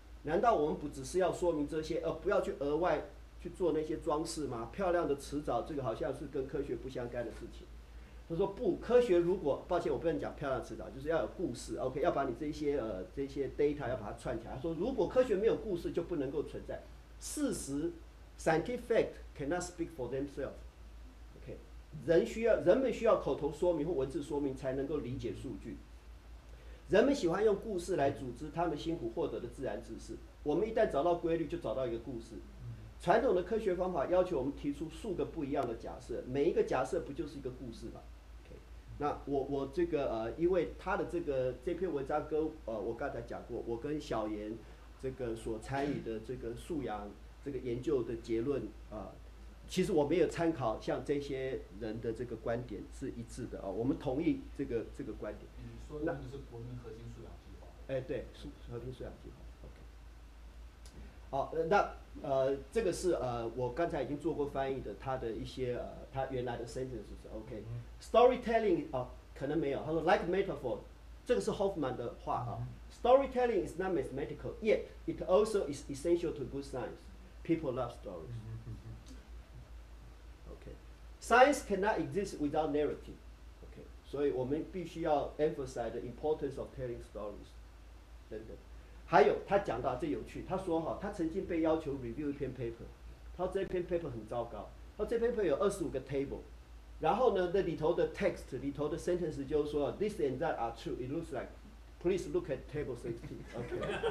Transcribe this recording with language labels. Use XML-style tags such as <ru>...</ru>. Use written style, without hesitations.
<zh>难道我们不只是要说明这些，而不要去额外去做那些装饰吗？漂亮的辞藻，这个好像是跟科学不相干的事情。他说不，科学如果抱歉，我不能讲漂亮辞藻，就是要有故事。 OK， 要把你这些 data 要把它串起来。他说，如果科学没有故事，就不能够存在。事实。</zh> <en>Scientific fact cannot speak for themselves.</en> <zh>OK， 人们需要口头说明或文字说明才能够理解数据。人们喜欢用故事来组织他们辛苦获得的自然知识。我们一旦找到规律，就找到一个故事。传统的科学方法要求我们提出数个不一样的假设，每一个假设不就是一个故事吗 ？OK， 那我这个因为他的这篇文章跟我刚才讲过，我跟小岩这个所参与的这个素养。这个研究的结论啊，其实我没有参考像这些人的这个观点是一致的啊，我们同意这个观点。你说的就是国民核心素养计划。哎，对，和平素养计划。OK。好，那这个是我刚才已经做过翻译的，他的一些他原来的 sentence 是 OK。 Storytelling 啊，可能没有，他说 like metaphor， 这个是 Hoffman 的话啊。</zh> <en>Storytelling is not mathematical, yet it also is essential to good science. People love stories. Okay, science cannot exist without narrative. Okay,</en> <zh>所以我们必须要</zh> <en>emphasize the importance of telling stories.</en> <zh>等等，还有他讲到最有趣，他说哈，他曾经被要求 review 一篇 paper， 他说这篇 paper 很糟糕，他说这篇 paper 有25个 table， 然后呢，那里头的 text 里头的 sentence 就是说</zh> <en>this and that are true. It looks like. Please look at table 16. OK.</en>